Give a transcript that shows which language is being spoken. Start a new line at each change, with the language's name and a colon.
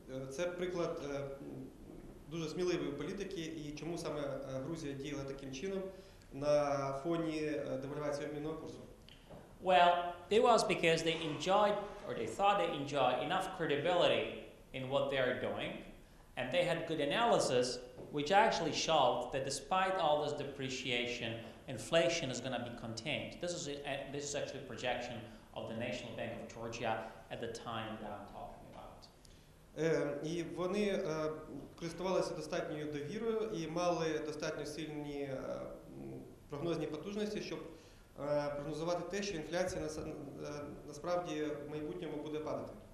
Ukrainian: Це приклад дуже сміливої політики, і чому саме Грузія діяла таким чином на фоні девальвації обмінного курсу?
English: Well, it was because they enjoyed, or they thought they enjoyed, enough credibility in what they are doing, and they had good analysis, which actually showed that despite all this depreciation, inflation is going to be contained. This is actually a projection of the National Bank of Georgia at the time that I'm talking about.
Ukrainian: І вони користувалися достатньою довірою і мали достатньо сильні прогнозні потужності, щоб прогнозувати те, що інфляція насправді в майбутньому буде падати.